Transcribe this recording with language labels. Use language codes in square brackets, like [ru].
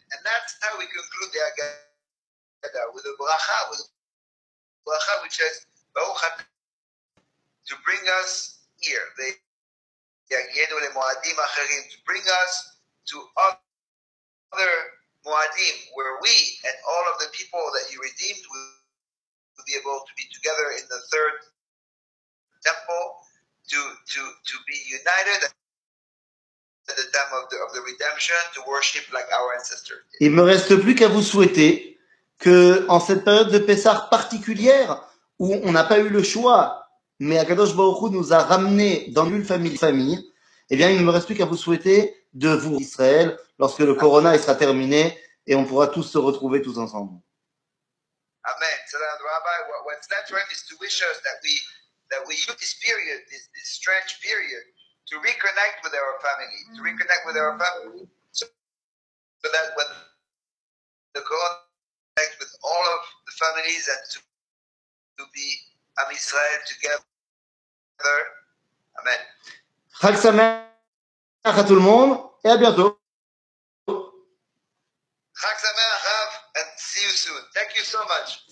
[en] And that's how we conclude the Haggadah with a bracha, which says, Baruch Hat, to bring us here, the [he] Yagienu le Moadim Acherim, [en] to bring us to other Moadim, where we and all of the people that you redeemed will be able to be together in the third temple, to be united. At the time of the redemption, to worship like our ancestors. [fr] Il me reste plus qu'à vous souhaiter que, en cette période de Pessah particulière où on n'a pas eu le choix, mais Akadosh Baruch Hu nous a ramené dans une famille, eh bien, il ne me reste plus qu'à vous souhaiter de vous, Israël, lorsque le corona sera terminé et on pourra tous se retrouver tous ensemble. Amen. [en] So, Rabbi, what's that term is to wish us that we use this period, this strange period, to reconnect with our family, so that when the corona connects with all of the families and to be Am Israel together. Amen. [fr] Chag Sameach à tout le monde et à bientôt. [en] Chag Sameach, and see you soon. Thank you so much.